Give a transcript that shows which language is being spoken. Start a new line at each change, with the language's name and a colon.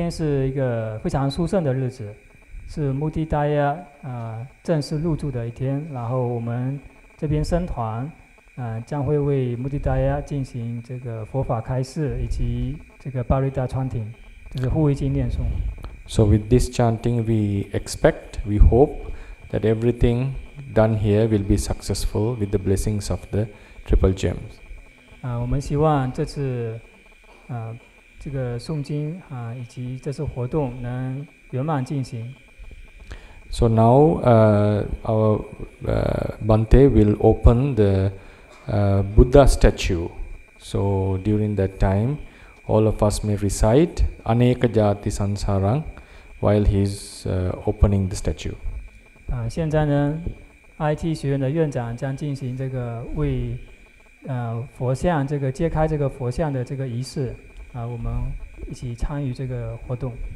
Chinese: 那各位哈利长老说呢，今天是一个非常殊胜的日子。是穆迪达耶 正式入住的一天， 然后我们这边僧团 将会为穆迪达耶进行这个佛法开示， 以及这个巴瑞达 chanting， 就是护卫经念诵。
English: So with this chanting we expect, we hope that everything done here will be successful with the blessings of the triple gems.
Chinese: 我们希望这次 这个诵经 以及这次活动能圆满进行。
English: So now our Bante will open the Buddha statue. So during that time, all of us may recite Aneka Jati Sansarang while he is opening the statue.
Chinese: 现在呢, IT学院的院长将进行这个为 佛像这个揭开这个佛像的这个仪式, 我们一起参与这个活动。